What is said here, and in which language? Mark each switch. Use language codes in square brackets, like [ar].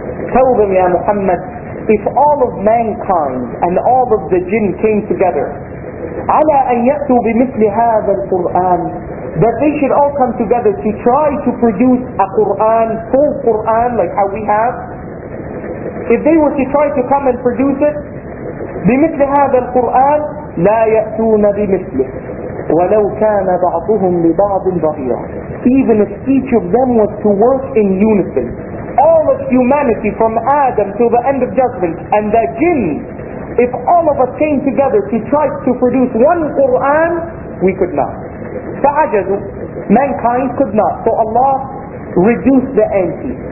[en] Tell them, Ya Muhammad, if all of mankind and all of the jinn came together, [ar] على أن يأتوا بمثل هذا القرآن, [en] that they should all come together to try to produce a Qur'an, full Qur'an, like how we have. If they were to try to come and produce it, [ar] بمثل هذا القرآن, لا يأتون بمثله, ولو كان بعضهم لبعض ظهيرا. [en] Even if each of them was to work in unison, all of humanity from Adam to the end of judgment, and the jinn, if all of us came together to try to produce one Qur'an, we could not. فَعَجَزُوا Mankind could not. So Allah reduced the ante.